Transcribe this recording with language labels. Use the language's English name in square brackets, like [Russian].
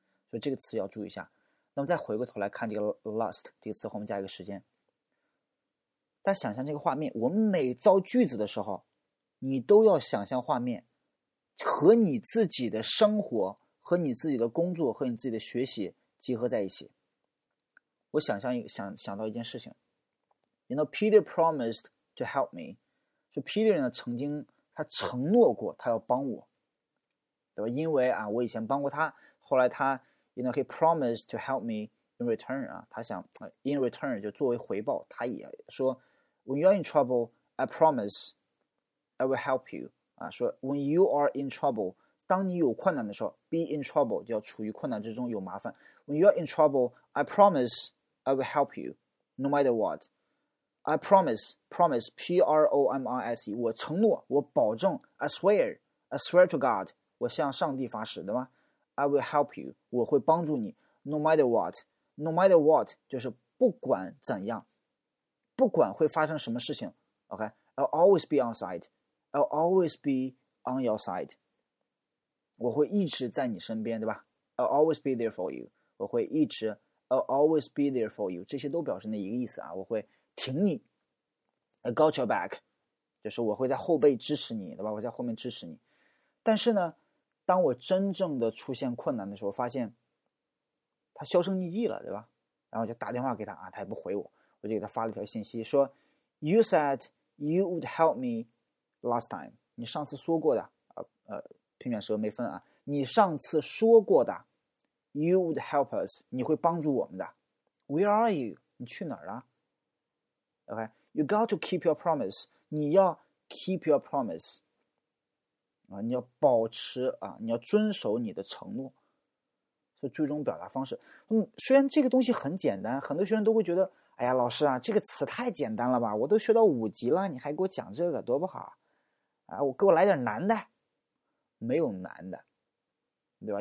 [Chinese] 所以这个词要注意一下。那么再回过头来看这个 last 这个词后面加一个时间，大家想象这个画面，我们每造句子的时候，你都要想象画面和你自己的生活和你自己的工作和你自己的学习结合在一起。我想象想到一件事情， [English] You know Peter promised to help me， [Chinese] 就 Peter 呢曾经他承诺过他要帮我，对吧？因为啊我以前帮过他，后来他 [English] You know he promised to help me in return [Chinese] 啊，他想 in return 就作为回报，他也说 [English] When you're in trouble I promise I will help you [Chinese] 啊，说 [English] When you are in trouble， [Chinese] 当你有困难的时候， [English] Be in trouble [Chinese] 就要处于困难之中，有麻烦。 [English] When you are in trouble, I promise I will help you, no matter what. I promise, promise, P-R-O-M-I-S-E, [Chinese] 我承诺，我保证， [English] I swear to God, [Chinese] 我向上帝发誓，对吧？ [English] I will help you, [Chinese] 我会帮助你， [English] no matter what, no matter what, [Chinese] 就是不管怎样，不管会发生什么事情， [English] OK? I'll always be on side, I'll always be on your side. [Chinese] 我会一直在你身边，对吧？ [English] I'll always be there for you. [Chinese] 我会一直 [English] I'll always be there for you， [Chinese] 这些都表示那一个意思啊，我会挺你， [English] I got your back， [Chinese] 就是我会在后背支持你，对吧？我在后面支持你。但是呢当我真正的出现困难的时候，发现他销声匿迹了，对吧？然后就打电话给他啊，他也不回我，我就给他发了一条信息说 [English] You said you would help me last time， [Chinese] 你上次说过的平卷舌没分啊，你上次说过的 [English] You would help us. [Chinese] 你会帮助我们的。 [English] Where are you? [Chinese] 你去哪儿了？Okay. [English] You got to keep your promise. [Chinese] 你要 [English] keep your promise. [Chinese] 啊，你要保持啊，你要遵守你的承诺。是最终表达方式。虽然这个东西很简单，很多学生都会觉得，哎呀，老师啊，这个词太简单了吧？我都学到五级了，你还给我讲这个，多不好！啊，我给我来点难的。没有难的。对吧？